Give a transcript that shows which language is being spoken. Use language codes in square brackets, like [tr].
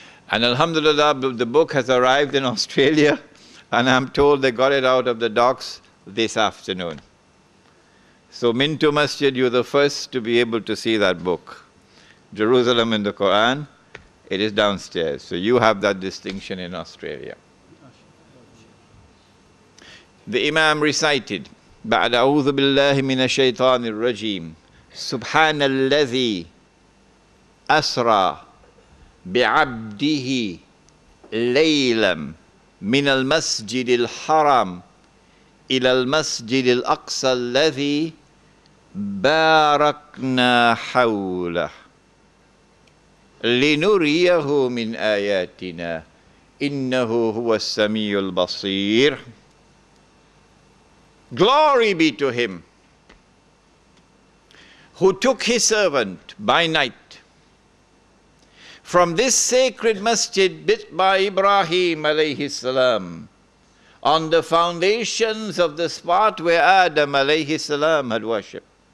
[en] And alhamdulillah, the book has arrived in Australia, and I'm told they got it out of the docks this afternoon. So Minto Masjid, you're the first to be able to see that book, Jerusalem in the Quran. It is downstairs, so you have that distinction in Australia. The Imam recited, [ar] بعد أعوذ بالله من الشيطان الرجيم سبحان الذي أسرى بعبده ليلا من المسجد الحرام إلى المسجد الأقصى الذي باركنا حوله لنريه من آياتنا إنه هو السميع البصير. [en] Glory be to him who took his servant by night from this sacred masjid built by Ibrahim alayhi salam on the foundations of the spot where Adam alayhi salam had worshipped.